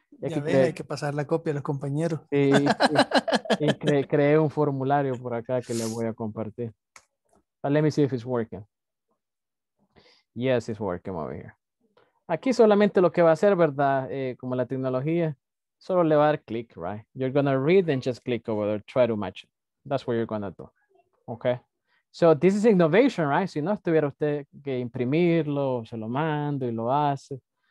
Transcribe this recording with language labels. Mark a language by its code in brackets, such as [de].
[es] Hay que pasar la copia a los compañeros. Sí, y creé un formulario por acá que le voy a compartir. [en] But let me see if it's working. Yes, it's working over here. [es] Aquí solamente lo que va a hacer, ¿verdad? Como la tecnología, solo le va a dar click, right? [en] You're going to read and just click over there, try to match it. That's what you're going to do. Okay. So this is innovation, right? [es] Si no, estuviera usted que imprimirlo, se lo mando y lo hace.